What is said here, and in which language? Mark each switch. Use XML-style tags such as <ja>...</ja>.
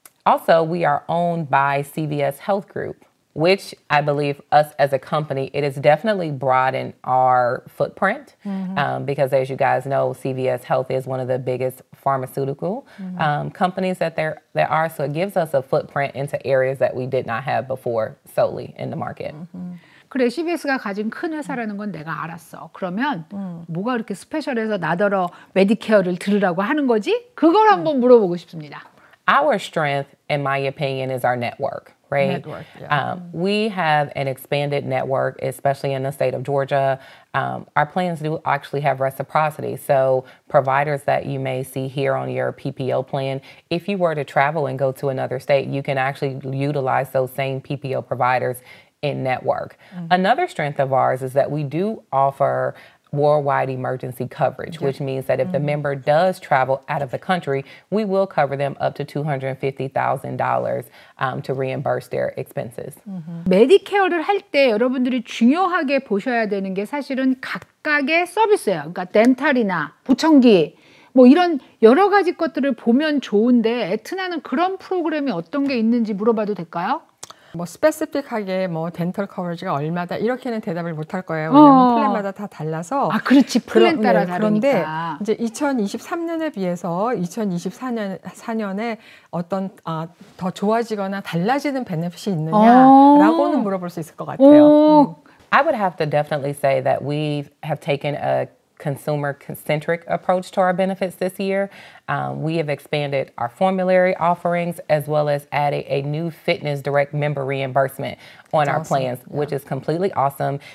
<en>Also, we are owned by CVS Health Group, which I believe us as a company, it has definitely broadened our footprint because as you guys know, CVS Health is one of the biggest pharmaceutical companies that there are. So it gives us a footprint into areas that we did not have before solely in the market. Mm-hmm.</en> <ko>그래, CVS가 가진 큰 회사라는 건 내가 알았어. 그러면 뭐가 이렇게 스페셜해서 나더러 메디케어를 들으라고 하는 거지? 그걸 한번 물어보고 싶습니다.</ko> <en>Our strength, in my opinion, is our network. Right. Network, yeah. We have an expanded network, especially in the state of Georgia. Our plans do actually have reciprocity. So providers that you may see here on your PPO plan, if you were to travel and go to another state, you can actually utilize those same PPO providers in network. Mm-hmm. Another strength of ours is that we do offer worldwide emergency coverage, which means that if the member does travel out of the country, we will cover them up to $250,000 to reimburse their expenses.</en> <ko>메디케어를 할 때 여러분들이 중요하게 보셔야 되는 게 사실은 각각의 서비스예요. 그러니까 덴탈이나 보청기 뭐 이런 여러 가지 것들을 보면 좋은데 에트나는 그런 프로그램이 어떤 게 있는지 물어봐도 될까요? 뭐 스페시픽하게 뭐 덴털 커버리지가 얼마다 이렇게는 대답을 못할 거예요. 왜냐하면 플랜마다 다 달라서. 아 그렇지 플랜 따라 다르니까. 그런데 이제 2023년에 비해서 2024년에 어떤 더 좋아지거나 달라지는 베네핏이 있느냐라고는 물어볼 수 있을 것 같아요.</ko> <en>I would have to definitely say that we have taken a consumer-centric approach to our benefits this year. We have expanded our formulary offerings as well as added a new fitness direct member reimbursement on our plans, which is completely awesome.</en>